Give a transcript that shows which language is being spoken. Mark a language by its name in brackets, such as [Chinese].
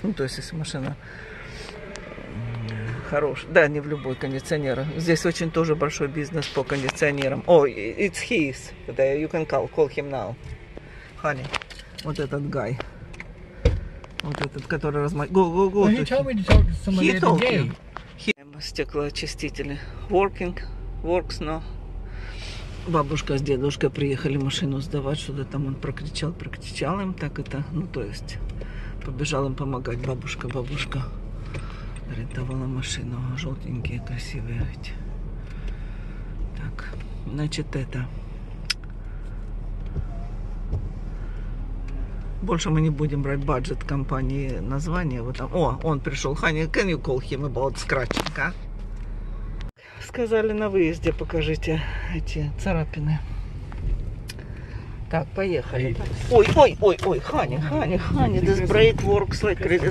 [Russian] Ну, то есть, если машина хорошая. Да, не в любой кондиционер. Здесь очень тоже большой бизнес по кондиционерам. О, [English] oh, it's his. You can call him now. Honey, [Russian] вот этот [English] guy. [Russian] Вот этот, который размахивает. [English] Go. Well, he told me to talk to somebody today. [Russian] Стеклоочистители. Working. Works, но бабушка с дедушкой приехали машину сдавать, что-то там он прокричал им, так это, ну, то есть, побежал им помогать бабушка. Рентовала машину, желтенькие, красивые эти. Так, значит, это. Больше мы не будем брать бюджет компании, название вот там. О, он пришел. [English] Honey, can you call him about scratching, а? [Russian] Сказали на выезде, покажите эти царапины. Так, поехали. [English] Ой, Хани, this brake works like crazy.